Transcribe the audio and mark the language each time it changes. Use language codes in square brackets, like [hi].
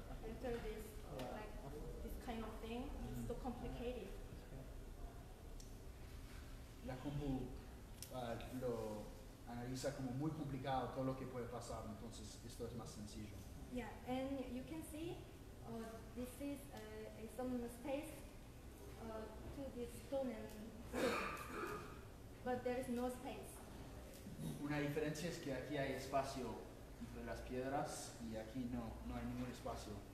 [en] After this, like this kind of thing, it's so complicated. [es] La compu lo analiza como muy complicado todo lo que puede pasar, entonces esto es más sencillo. [en] Yeah, and you can see this is some space to this stone and but there is no space. [es] Una diferencia es que aquí hay espacio entre las piedras y aquí no hay ningún espacio.